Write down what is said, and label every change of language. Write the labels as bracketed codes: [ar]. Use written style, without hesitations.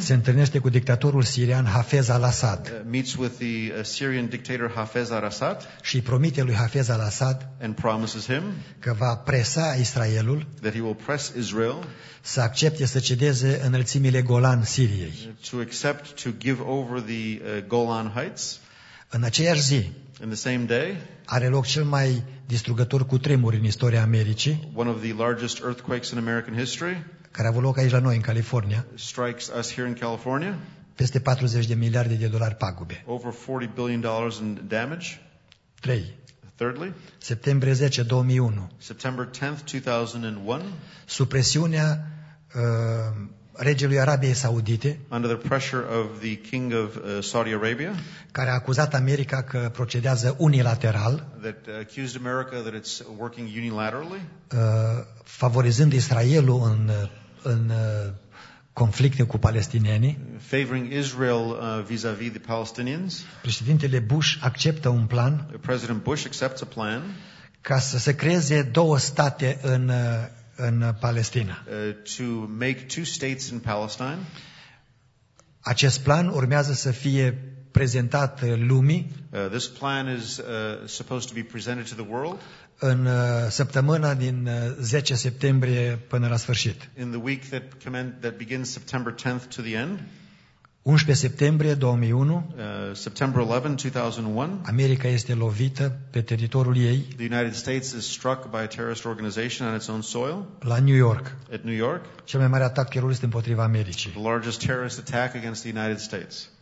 [ro] se întâlnește cu dictatorul sirian Hafez al-Assad. [en] Meets with the Syrian dictator Hafez al-Assad. [ro] Și promite lui Hafez al-Assad. [en] And promises him [ro] că va presa Israelul. [en] That he will press Israel. [ro] Să accepte să cedeze înălțimile Golan Siriei. [en] To accept to give over the Golan Heights. [ro] În aceeași zi. [en] In the same day. [ro] Are loc cel mai distrugător cutremur în istoria Americii. [en] One of the largest earthquakes in American history. [ro] Care a avut loc aici la noi, în California, [en] strikes us here in California, [ro] peste 40 de miliarde de dolari pagube. [en] Over $40 billion in damage. [ro] 3. [en] Thirdly, [ro] septembrie 10, 2001. [en] September 10, 2001. [ro] Supresiunea regelui Arabiei Saudite, [en] under the pressure of the king of Saudi Arabia, [ro] care a acuzat America că procedează unilateral, [en] that accused America that it's working unilaterally, [ro] favorizând Israelul în conflicte cu palestinienii, [en] favoring Israel vis-a-vis the Palestinians. [ro] Președintele Bush acceptă un plan, [en] President Bush accepts a plan, [ro] ca să se creeze două state în Palestina. [en] To make two states in Palestine. [ro] Acest plan urmează să fie prezentat lumii. [en] This plan is supposed to be presented to the world. [ro] În săptămâna din 10 septembrie până la sfârșit. [en] In the week that begins September 10th to the end. [ro] 11 septembrie 2001, [en] September 11, 2001, [ro] America este lovită pe teritoriul ei. [en] The United States is struck by a terrorist organization on its own soil. [ro] La New York. [en] At New York. [ro] Cel mai mare atac terorist împotriva Americii. [en] The largest terrorist attack against the United States.